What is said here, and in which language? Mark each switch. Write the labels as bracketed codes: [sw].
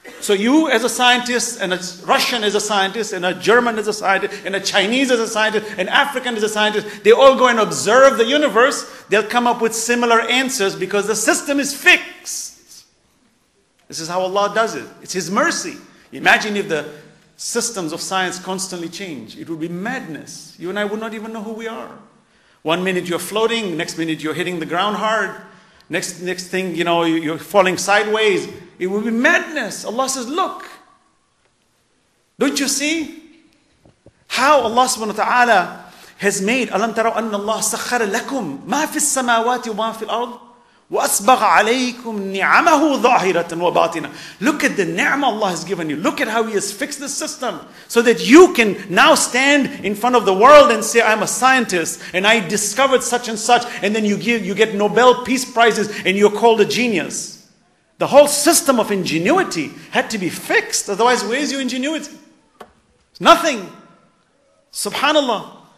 [en] So you as a scientist, and a Russian as a scientist, and a German as a scientist, and a Chinese as a scientist, an African as a scientist, they all go and observe the universe, they'll come up with similar answers because the system is fixed. This is how Allah does it. It's His mercy. Imagine if the systems of science constantly change. It would be madness. You and I would not even know who we are. One minute you're floating, next minute you're hitting the ground hard. Next thing, you know, you're falling sideways. It will be madness. Allah says, look. Don't you see how Allah subhanahu wa ta'ala has made, [ar] أَلَمْ تَرَوْا أَنَّ اللَّهَ سَخَّرَ لَكُمْ مَا فِي السَّمَاوَاتِ وَمَا فِي الْأَرْضِ وَأَصْبَغَ عَلَيْكُمْ نِعَمَهُ ظَاهِرَةً وَبَاطِنًا. [en] Look at the ni'mah Allah has given you. Look at how He has fixed the system so that you can now stand in front of the world and say, I'm a scientist and I discovered such and such, and then you get Nobel Peace Prizes and you're called a genius. The whole system of ingenuity had to be fixed, otherwise where is your ingenuity? It's nothing. Subhanallah.